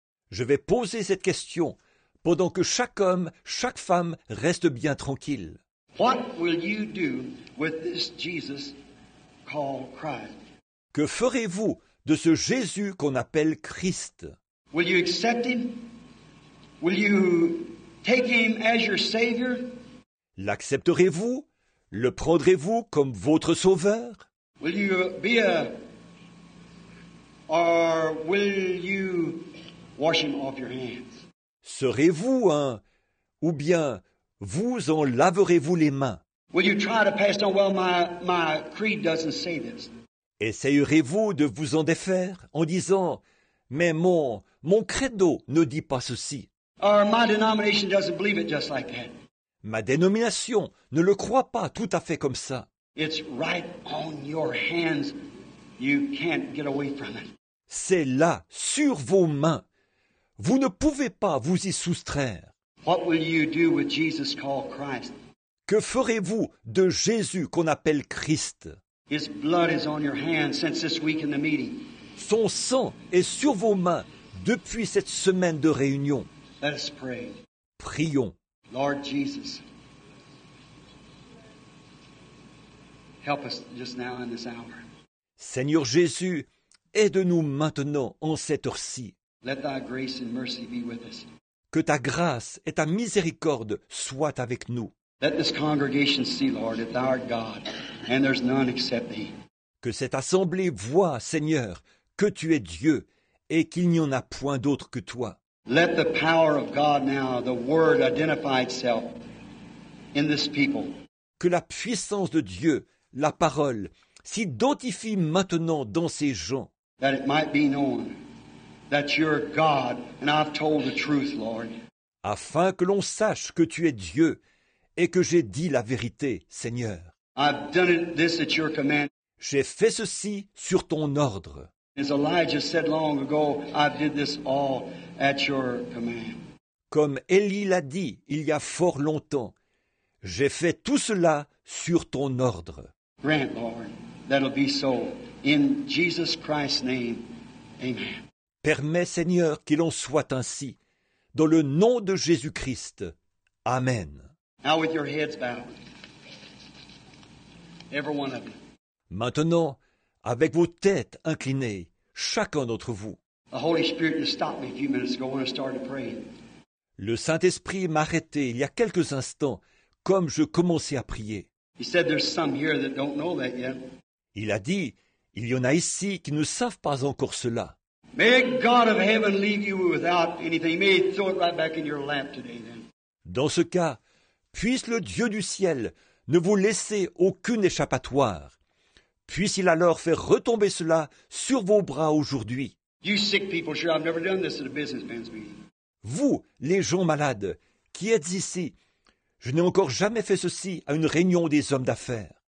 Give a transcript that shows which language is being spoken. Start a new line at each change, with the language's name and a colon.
French: Je vais poser cette question pendant que chaque homme, chaque femme reste bien tranquille.
English: What will you do with this Jesus called Christ?
French: Que ferez-vous de ce Jésus qu'on appelle Christ?
English: Will you accept him? Will you take him as your savior?
French: L'accepterez-vous? Le prendrez-vous comme votre sauveur?
English: Will you be a Or will you wash him off your hands?
French: Serez-vous un, ou bien vous en laverez-vous les mains?
English: Will you try to pass on? Well, my creed doesn't say this.
French: Essayerez-vous de vous en défaire en disant, mais mon credo ne dit pas ceci?
English: Or my denomination doesn't believe it just like that.
French: Ma dénomination ne le croit pas tout à fait comme ça.
English: It's right on your hands. You can't get away from it.
French: C'est là, sur vos mains. Vous ne pouvez pas vous y soustraire.
English: What will you do with Jesus called Christ?
French: Que ferez-vous de Jésus qu'on appelle Christ?
English: His blood is on your hands since this week in the meeting.
French: Son sang est sur vos mains depuis cette semaine de réunion.
English: Let us pray.
French: Prions.
English: Lord Jesus, help us just now in this hour.
French: Seigneur Jésus, aide-nous maintenant en cette heure-ci.
English: Let thy grace and mercy be with us.
French: Que ta grâce et ta miséricorde soient avec nous.
English: Let this congregation see, Lord, that thou art God, and there's none except thee.
French: Que cette assemblée voie, Seigneur, que tu es Dieu et qu'il n'y en a point d'autre que toi.
English: Let the power of God now, the word, identify itself in this people.
French: Que la puissance de Dieu, la parole, s'identifie maintenant dans ces gens.
English: That it might be known that you're God and I've told the truth, Lord.
French: Afin que l'on sache que tu es Dieu et que j'ai dit la vérité, Seigneur.
English: I've done this at your command.
French: J'ai fait ceci sur ton ordre.
English: As Elijah said long ago, I did this all at your command.
French: Comme Élie l'a dit il y a fort longtemps, j'ai fait tout cela sur ton ordre.
English: Grant, Lord, that'll be so. In Jesus Christ's name, amen.
French: Permets, Seigneur, qu'il en soit ainsi. Dans le nom de Jésus-Christ, amen.
English: Now with your heads bowed, every one of you.
French: Maintenant, avec vos têtes inclinées, chacun d'entre vous.
English: The Holy Spirit just stopped me a few minutes ago when I started praying.
French: Le Saint-Esprit m'a arrêté il y a quelques instants, comme je commençais à prier.
English: He said, "There's some here that don't know that yet."
French: Il a dit, il y en a ici qui ne savent pas encore cela.
English: May God of heaven leave you without anything. May He throw it right back in your lap today, then.
French: Dans ce cas, puisse le Dieu du ciel ne vous laisser aucune échappatoire. Puisse-il alors faire retomber cela sur vos bras aujourd'hui.
English: You sick people, sure, I've never done this at a businessman's meeting.
French: Vous, les gens malades, qui êtes ici? Je n'ai encore jamais fait ceci à une réunion des hommes d'affaires.